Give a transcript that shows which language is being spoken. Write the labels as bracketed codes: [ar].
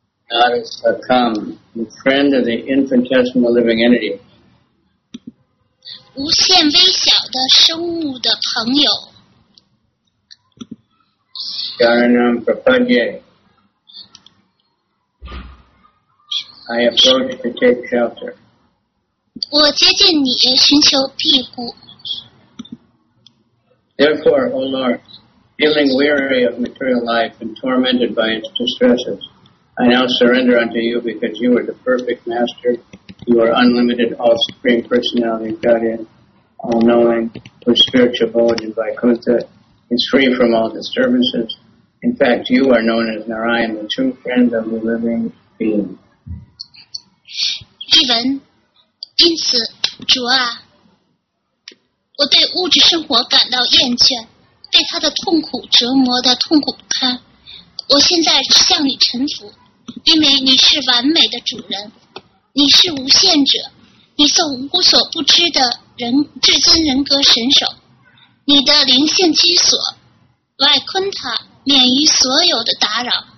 [en] God has become the friend of the infinitesimal living entity. [zh] 无限微小的生物的朋友。 [sa] Sharanam Prapadye. [en] I approach to take shelter. [zh] 我接近你，寻求庇护。 [en] Therefore, O Lord, feeling weary of material life and tormented by its distresses,I now surrender unto you because you are the perfect master. You are unlimited, all supreme personality, guardian, all knowing, whose spiritual abode in Vaikuntha is free from all disturbances. In fact, you are known as Narayan, the true friend of the living being. [zh] 译文，因此，主啊，我对物质生活感到厌倦，被他的痛苦折磨得痛苦不堪。我现在向你臣服。因为你是完美的主人，你是无限者，你是无所不知的人，至尊人格神手，你的灵性居所，外昆塔免于所有的打扰。